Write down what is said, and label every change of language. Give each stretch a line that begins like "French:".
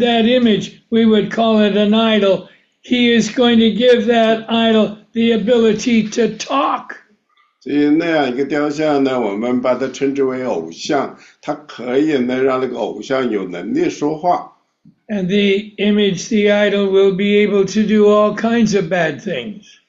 English: that image, we would call it an idol. He is going to give that idol the ability to talk.
Chinese: 所以那样一个雕像呢，我们把它称之为偶像，它可以呢让那个偶像有能力说话。
English: And the image, the idol, will be able to do all kinds of bad things.